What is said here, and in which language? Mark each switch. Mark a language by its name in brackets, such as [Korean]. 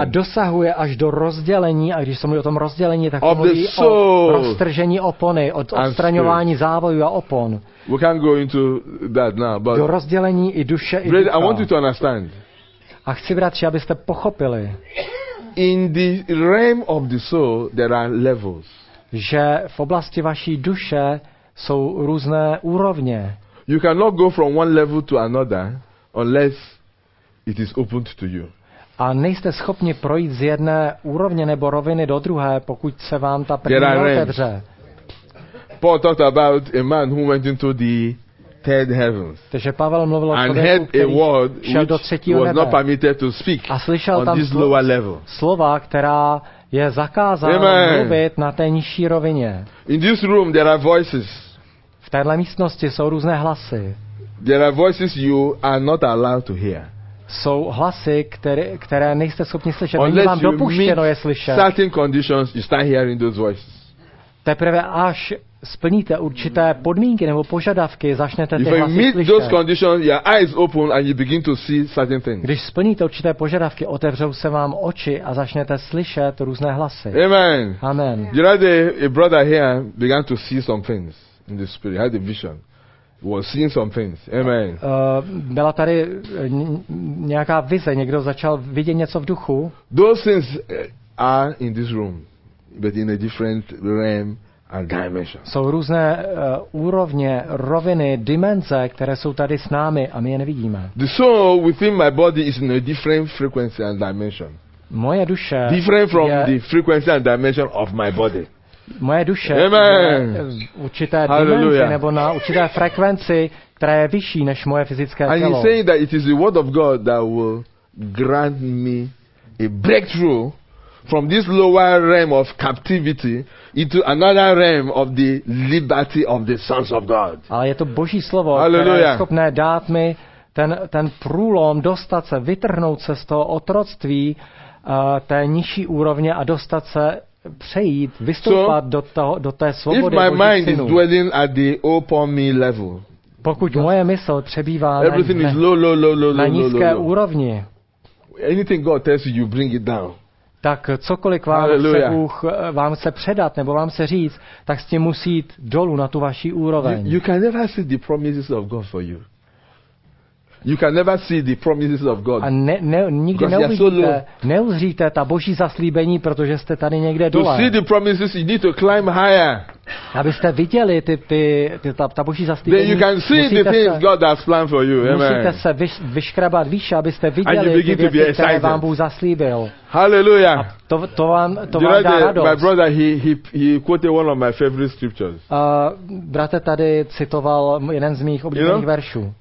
[Czech] A dosahuje až do rozdělení, a když se mluví o tom rozdělení, tak mluví o roztržení opony, od odstraňování závojů a opon. [English] We can't go into that now, but [Czech] do rozdělení i duše, i ducha. [English] I want you to understand. [Czech] A chci, bratři, abyste pochopili. [English] In the realm of the soul, there are levels. [Czech] Že v oblasti vaší duše jsou různé úrovně. [English] You cannot go from one level to another unless it is opened to you. [Czech] A nejste schopni projít z jedné úrovně nebo roviny do druhé, pokud se vám ta první otevře. [English] Paul talked about a man who went into the third heavens. [Czech] Takže Pavel mluvil o člověku, který šel do třetího nebe. [English] Was not permitted to speak [Czech] a slyšel [English] on [Czech] tam [English] this lower level. [Czech] Slova, která je zakázána mluvit na té nižší rovině. [English] In this room there are voices. [Czech] V téhle místnosti jsou různé hlasy. [English] There are voices you are not allowed to hear. [Czech] Jsou hlasy, které nejste schopni slyšet. Není vám dopuštěno je slyšet. [English] Certain conditions, you start hearing those voices. [Czech] Teprve až splníte určité podmínky nebo požadavky, začnete ty hlasy slyšet. [English] Those conditions, your eyes open and you begin to see certain things. [Czech] Když splníte určité požadavky, otevřou se vám oči a začnete slyšet různé hlasy. Amen. Amen. [English] Yesterday, a brother here began to see some things in the spirit. He had a vision. Was seeing some things. Amen. [Czech] Byla tady nějaká vize, někdo začal vidět něco v duchu. [English] Those things are in this room, but in a different realm are dimensions. [Czech] Jsou různé úrovně, roviny, dimenze, které jsou tady s námi a my je nevidíme. [English] The soul within my body is in a different frequency and dimension. [Czech] Moje duše [English] different from the frequency and dimension of my body. [Czech] Moje duše Amen. Je v určité dimenzi nebo na určité frekvenci, která je vyšší než moje fyzické tělo. [English] And he's saying that it is the word of God that will grant me a breakthrough from this lower realm of captivity into another realm of the liberty of the sons of God. [Czech] Ale je to Boží slovo, které je schopné dát mi ten průlom, dostat se, vytrhnout se z toho otroctví té nižší úrovně a dostat se přejít, vystoupat so, do té svobody. [English] If my mind is dwelling at the open me level. [Czech] Pokud moje mysl přebývá na nízké úrovni. [English] Anything God tells you, you bring it down. [Czech] Tak cokoliv vám chce Bůh vám chce předat nebo vám chce říct, tak s tím musí jít dolů na tu vaši úroveň. [English] You can never see the promises of God for you. You can never see the promises of God. [Czech] A nikdy neuzříte ta Boží zaslíbení, protože jste tady někde dole. [English] To see the promises, you need to climb higher. [Czech] Abyste viděli ta Boží zaslíbení. [English] Then you can see the things God has planned for you. [Czech] Musíte se vyškrabat výše, abyste viděli ty věci, které vám Bůh zaslíbil. Hallelujah. To vám dá radost. [English] My brother he quoted one of my favorite scriptures. [Czech] Bratr tady citoval jeden z mých oblíbených veršů.